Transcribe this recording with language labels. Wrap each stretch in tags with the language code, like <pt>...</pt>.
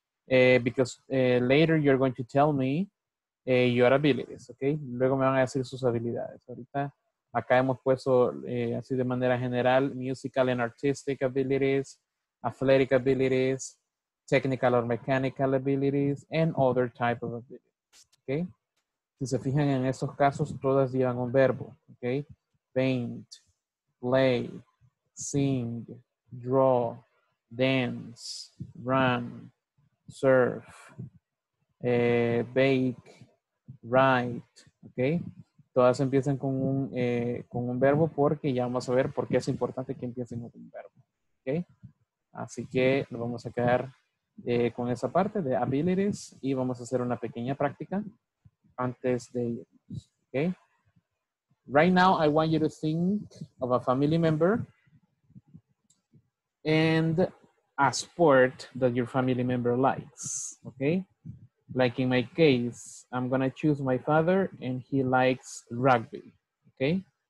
<en>Because later you're going to tell me your abilities.</en> <es>Okay, luego me van a decir sus habilidades. Ahorita. Acá hemos puesto, así de manera general,</es> <en>musical and artistic abilities, athletic abilities, technical or mechanical abilities, and other type of abilities. Okay?</en> <es>Si se fijan en esos casos, todas llevan un verbo.</es> <en>Okay? Paint, play, sing, draw, dance, run, surf, bake, write. Okay?</en> <es>Todas empiezan con un verbo porque ya vamos a ver por qué es importante que empiecen con un verbo. ¿Okay? Así que nos vamos a quedar con esa parte de abilities y vamos a hacer una pequeña práctica antes de irnos. ¿Okay?</es> <en>Right now, I want you to think of a family member and a sport that your family member likes, okay? Like in my case, I'm going to choose my father and he likes rugby, okay?</en>